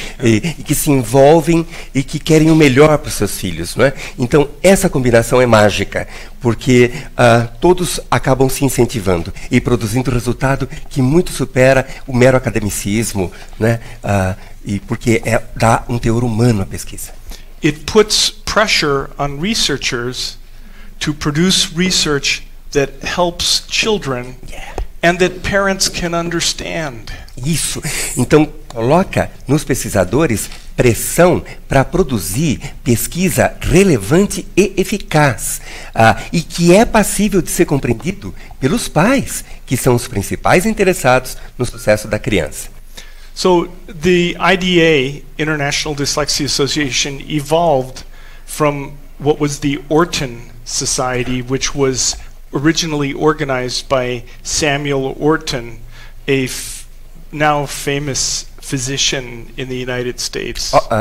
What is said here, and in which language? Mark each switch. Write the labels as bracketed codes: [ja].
[pt] E que se envolvem e que querem o melhor para os seus filhos, né? Então essa combinação é mágica, porque todos acabam se incentivando e produzindo resultado que muito supera o mero academicismo, né? E porque dá um teor humano à pesquisa. [en] It puts pressure on researchers to produce research that helps children and that parents can understand. [pt] Isso. Então, coloca nos pesquisadores pressão para produzir pesquisa relevante e eficaz, e que é passível de ser compreendido pelos pais, que são os principais interessados no sucesso da criança. [en] So, the IDA, International Dyslexia Association, evolved from what was the Orton Society, which was originally organized by Samuel Orton, a now famous physician in the United States.